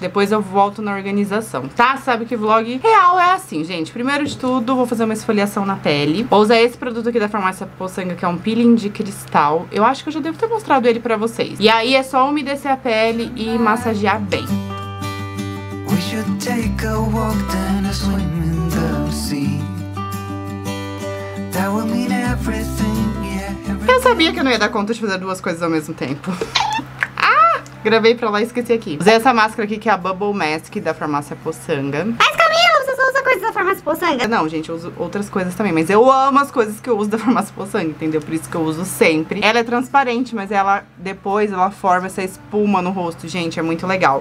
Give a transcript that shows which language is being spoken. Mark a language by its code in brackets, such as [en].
[pt] Depois eu volto na organização, tá? Sabe que vlog real é assim, gente. Primeiro de tudo, vou fazer uma esfoliação na pele. Vou usar esse produto aqui da farmácia Poçanga, que é um peeling de cristal. Eu acho que eu já devo ter mostrado ele pra vocês. E aí é só umedecer a pele e massagear bem. [en] We should take a walk down a swim in the sea. That will mean everything. [pt] Eu sabia que eu não ia dar conta de fazer duas coisas ao mesmo tempo. Ah! Gravei pra lá e esqueci aqui. Usei essa máscara aqui, que é a Bubble Mask da farmácia Poçanga. Mas Camila, você só usa coisas da farmácia Poçanga? Não, gente, eu uso outras coisas também. Mas eu amo as coisas que eu uso da farmácia Poçanga, entendeu? Por isso que eu uso sempre. Ela é transparente, mas ela depois ela forma essa espuma no rosto, gente. É muito legal.